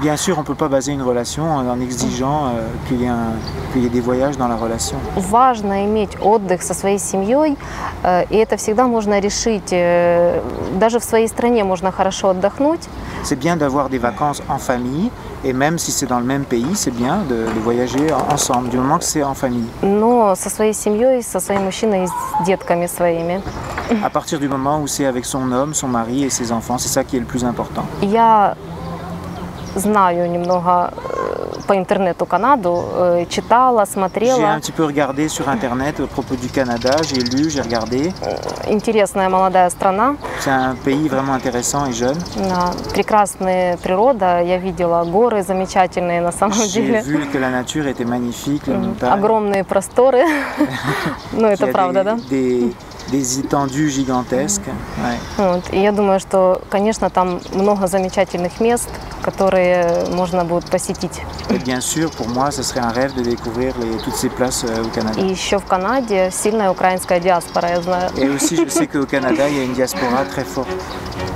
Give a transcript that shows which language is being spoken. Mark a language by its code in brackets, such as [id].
[fr] Bien sûr, on peut pas baser une relation en exigeant qu'il y ait des voyages dans la relation. [ru] Важно иметь отдых со своей семьей, и это всегда можно решить. Даже в своей стране можно хорошо отдохнуть. [fr] C'est bien d'avoir des vacances en famille. Et même si c'est dans le même pays, c'est bien de voyager ensemble, du moment que c'est en famille. [ru] Но со своей семьей, со своим мужчиной, с детками своими. [fr] À partir du moment où c'est avec son homme, son mari et ses enfants, c'est ça qui est le plus important. [ru] Я знаю немного по интернету Канаду, читала, смотрела. [fr] J'ai un petit peu regardé sur internet à propos du Canada, j'ai lu, j'ai regardé. [ru] Интересная молодая страна. [fr] C'est un pays vraiment intéressant et jeune. [ru] Да, прекрасная природа, я видела горы замечательные на самом [fr] j'ai [ru] деле. [fr] J'ai vu que la nature était magnifique, les montagnes. [ru] Огромные просторы. Ну это правда, да? [fr] Des étendues gigantesques. [ru] Вот, и я думаю, что, конечно, там много замечательных мест, которые можно будет посетить. [fr] Bien sûr, pour moi, ce serait un rêve de découvrir toutes ces places au Canada. [ru] И еще в Канаде сильная украинская диаспора, я знаю. [fr] Et aussi, je sais qu'au Canada, il y a une diaspora très forte.